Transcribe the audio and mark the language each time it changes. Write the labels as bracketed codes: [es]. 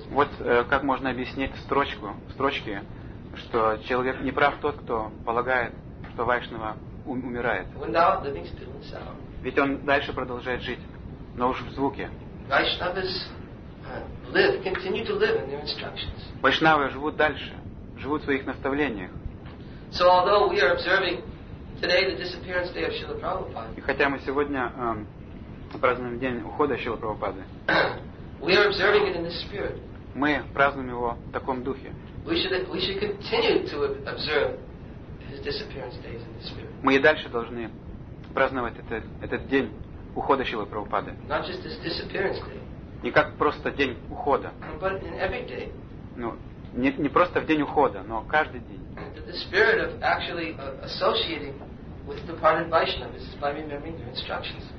[ru] Вот как можно объяснить строчки, что человек не прав тот, кто полагает, что Вайшнава умирает. [en] When thou living still in sound. [ru] Ведь он дальше продолжает жить, но уже в звуке. [en] Vaishnavas live, continue to live in their instructions. [ru] Вайшнавы живут дальше, живут в своих наставлениях. [en] So although we are observing today the disappearance day of Śrīla Prabhupāda. [ru] И хотя мы сегодня празднуем день ухода Шрилы Прабхупады. [en] We are observing it in this spirit. [ru] Мы празднуем его в таком духе. [en] We should continue to observe his disappearance days in this spirit. [ru] Мы и дальше должны праздновать этот день ухода Шрилы Прабхупады. [en] Not just his disappearance day. [ru] Не как просто день ухода. [en] But in every day. [ru] Не просто в день ухода, но каждый день. [en] The spirit of actually associating with departed Vaishnavas is by remembering their instructions.